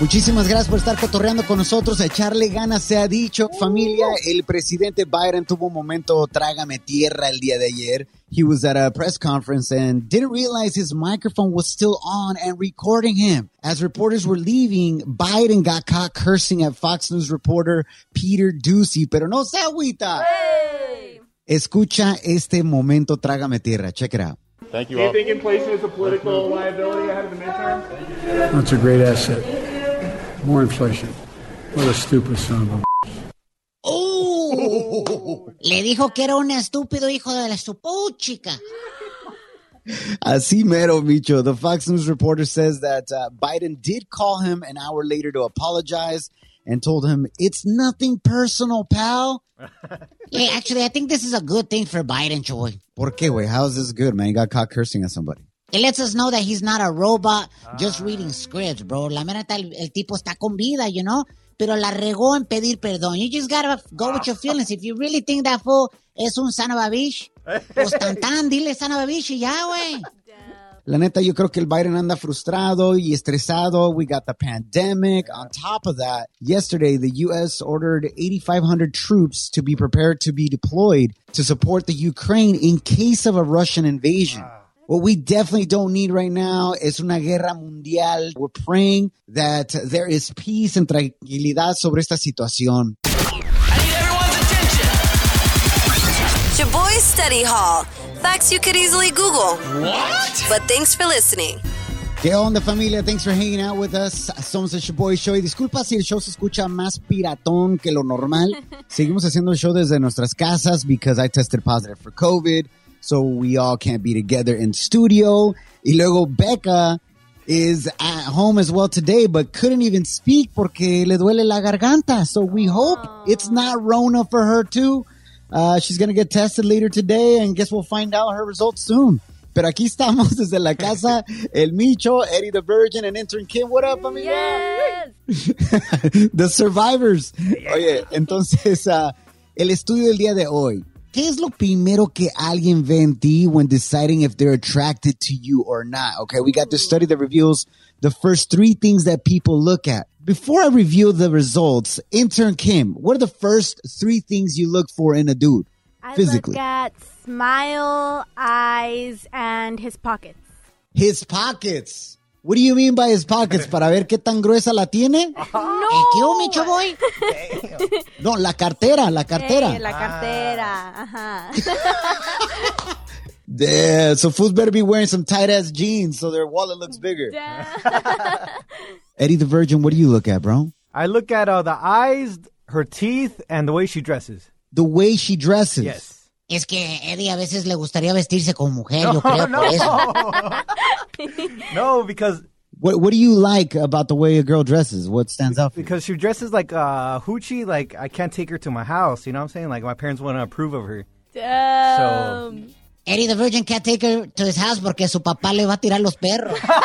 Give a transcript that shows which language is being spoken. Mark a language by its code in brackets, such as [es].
[es] Muchísimas gracias por estar cotorreando con nosotros. Echarle ganas, se ha dicho. Familia, el presidente Biden tuvo un momento trágame tierra el día de ayer. [en] He was at a press conference and didn't realize his microphone was still on and recording him. As reporters were leaving, Biden got caught cursing at Fox News reporter Peter Ducey. [es] Pero no se agüita. Escucha este momento, trágame tierra. [en] Check it out. Thank you all. Do you think inflation is a political liability ahead of the midterm? That's a great asset. More inflation. What a stupid son of a [es] Le dijo que era un estúpido hijo de la estupuchica. Así mero, Micho. [en] The Fox News reporter says that Biden did call him an hour later to apologize and told him, it's nothing personal, pal. Hey, actually, I think this is a good thing for Biden, Choy. [es] ¿Por qué, güey? [en] How is this good, man? He got caught cursing at somebody. It lets us know that he's not a robot just reading scripts, bro. [es] La mera tal, el tipo está con vida, [en] you know? [es] Pero la regó en pedir perdón. [en] You just gotta go with your feelings. If you really think that fool [es] es un [en] son of a bitch, [es] pues tantán, dile [en] son of a bitch [es] y ya, güey. La neta, yo creo que el Biden anda frustrado y estresado. [en] We got the pandemic. Yeah. On top of that, yesterday, the U.S. ordered 8,500 troops to be prepared to be deployed to support the Ukraine in case of a Russian invasion. Wow. What we definitely don't need right now is [es] una guerra mundial. [en] We're praying that there is peace and [es] tranquilidad sobre esta situación. [en] I need everyone's attention. It's your boy Study Hall. Facts you could easily Google. What? But thanks for listening. [es] ¿Qué onda, familia? [en] Thanks for hanging out with us. [es] Somos el Shaboy Show. Y disculpa si el show se escucha más piratón que lo normal. Seguimos haciendo el show desde nuestras casas [en] because I tested positive for COVID. So we all can't be together in studio. [es] Y luego [en] Becca is at home as well today, but couldn't even speak [es] porque le duele la garganta. [en] So we hope it's not Rona for her too. She's going to get tested later today, and guess we'll find out her results soon. [es] Pero aquí estamos desde la casa, el Micho, Eddie the Virgin, and intern Kim. [en] What up, amigo? Yes! The survivors. Yes. [es] Oye, entonces, el estudio del día de hoy. ¿Qué es lo primero que alguien ve en ti [en] when deciding if they're attracted to you or not? Okay, we got this study that reveals the first three things that people look at. Before I reveal the results, intern Kim, what are the first three things you look for in a dude, physically? I look at smile, eyes, and his pockets. His pockets? What do you mean by his pockets? [es] ¿Para ver qué tan gruesa la tiene? No. ¿Qué hubo, Micho Boy? No, la cartera, la cartera. Hey, la cartera, [en] Yeah, so fools better be wearing some tight-ass jeans so their wallet looks bigger. Eddie the Virgin, what do you look at, bro? I look at the eyes, her teeth, and the way she dresses. The way she dresses? Yes. [es] Es que Eddie a veces le gustaría vestirse como mujer, yo creo por eso. [en] No, because... What do you like about the way a girl dresses? What stands out for you? Because she dresses like a hoochie, like I can't take her to my house, you know what I'm saying? Like my parents wouldn't approve of her. Damn. So... Eddie the Virgin can't take her to his house [es] porque su papá le va a tirar los perros.